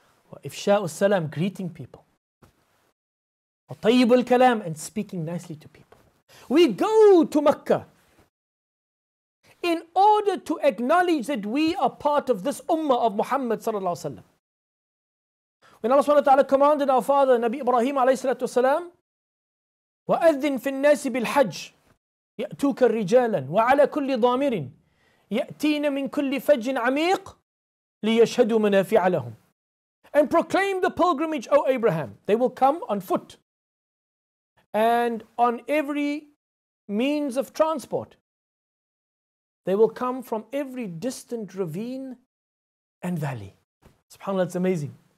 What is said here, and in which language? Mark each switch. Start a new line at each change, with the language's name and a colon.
Arabic: Wa ifsha'u al-Salam,
English: greeting people.
Arabic: Wa tayyibu al-Kalam,
English: and speaking nicely to people. We go to Mecca in order to acknowledge that we are part of this ummah of Muhammad sallallahu alaihi wasallam. When Allah subhanahu wa ta'ala commanded our father Nabi Ibrahim alayhi salatu wasalam,
Arabic: وَأَذِّنْ فِي النَّاسِ بِالْحَجِّ يَأْتُوكَ رِجَالًا وَعَلَى كُلِّ ضَامِرٍ يَأْتِينَ مِنْ كُلِّ فَجٍّ عَمِيقٍ لِيَشْهَدُوا مَنَافِعَ لَهُمْ.
English: And proclaim the pilgrimage, O Abraham. They will come on foot and on every means of transport. They will come from every distant ravine and valley. SubhanAllah, it's amazing.